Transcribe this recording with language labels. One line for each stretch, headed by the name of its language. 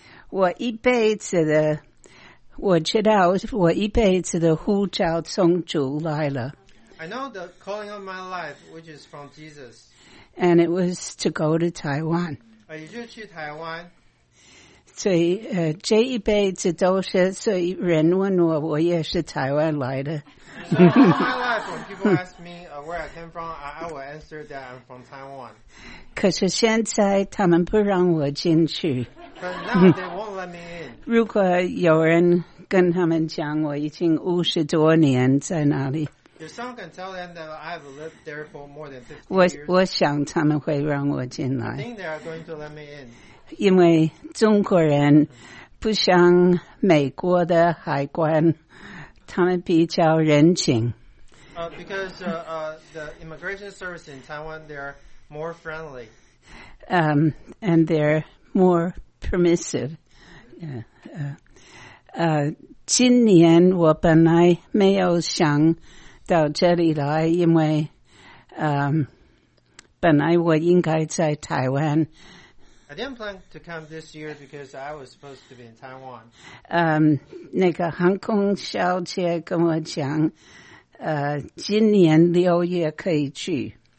Chinese: 我一辈子的，我知道我一辈子的呼召从主来了。
English: I know the calling of my life, which is from Jesus. And it was to go to Taiwan.
Chinese: 也就是去台湾。所以这一辈子都是，所以人问我，我也是台湾来的。
English: So, all my life, when people ask me where I came from, I will answer that I'm from Taiwan.
Chinese: 可是现在他们不让我进去。
English: But now they won't let me in.
Chinese: 如果有人跟他们讲我已经五十多年在哪里。
English: If someone can tell them that I have lived there for more than 50 years,
Chinese: 我想他们会让我进来。
English: I think they are going to let me in.
Chinese: 因为中国人不像美国的海关，他们比较人情。
English: Because the immigration service in Taiwan, they're more friendly. And they're more permissive. Yeah.
Chinese: 今年我本来没有想到这里来，因为本来我应该在台湾。
English: I didn't plan to come this year because I was supposed to be in Taiwan.
Chinese: 那个航空小姐跟我讲，今年六月可以去。